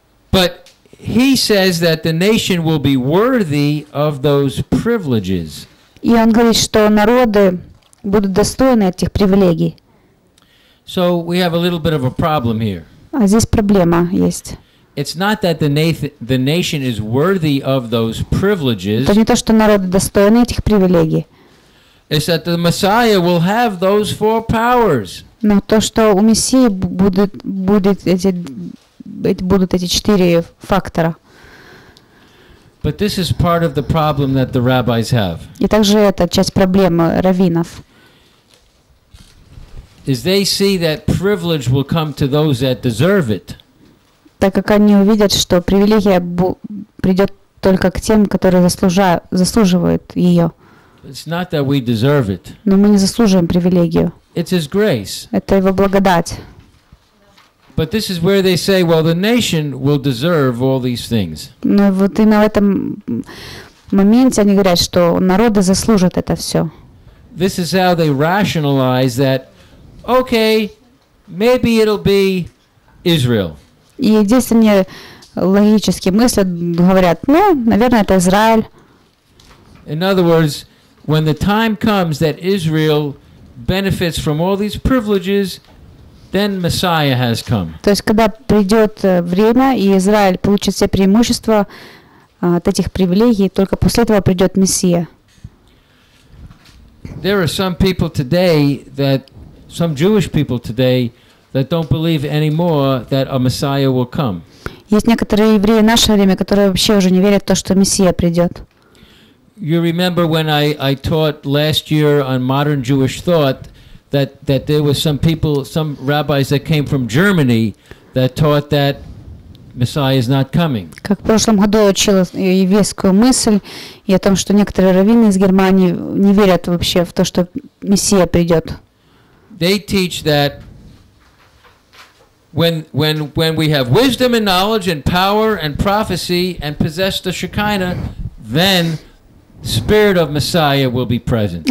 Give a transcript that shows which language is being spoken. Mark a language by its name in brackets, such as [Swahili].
[English] But he says that the nation will be worthy of those privileges. [Russian] И он говорит, что народы будут достойны этих привилегий. [English] So we have a little bit of a problem here. [Russian] А здесь проблема есть. [English] It's not that the nation is worthy of those privileges. [Russian] Это не то, что народ достоин этих привилегий. [English] It's that the Messiah will have those four powers. [Russian] Но то, что у Мессии будут эти четыре фактора. [English] But this is part of the problem that the rabbis have. [Russian] И также это часть проблемы раввинов. [English] Is they see that privilege will come to those that deserve it. [Russian] Так как они увидят, что привилегия придет только к тем, которые заслуживают ее. [English] It's not that we deserve it. [Russian] Но мы не заслуживаем привилегию. [English] It's his grace. [Russian] Это его благодать. Но вот и на этом моменте они говорят, что народы заслужат это все. [English] This is how they rationalize that, okay, maybe it'll be Israel. [Russian] И здесь они логически мыслят, говорят, ну, наверное, это Израиль. [English] In other words, when the time comes that Israel benefits from all these privileges, then Messiah has come. [Russian] То есть, когда придет время, и Израиль получит все преимущества от этих привилегий, только после этого придет Мессия. [English] There are some people today, some Jewish people today, that don't believe anymore that a Messiah will come. [Russian] Есть некоторые евреи в наше время, которые вообще уже не верят в то, что Мессия придет. [English] You remember when I taught last year on modern Jewish thought that there were some people, some rabbis that came from Germany that taught that Messiah is not coming. [Russian] Как в прошлом году учил еврейскую мысль и о том, что некоторые раввины из Германии не верят вообще в то, что Мессия придет. [English] They teach that when we have wisdom and knowledge and power and prophecy and possess the Shekinah, then Spirit of Messiah will be present.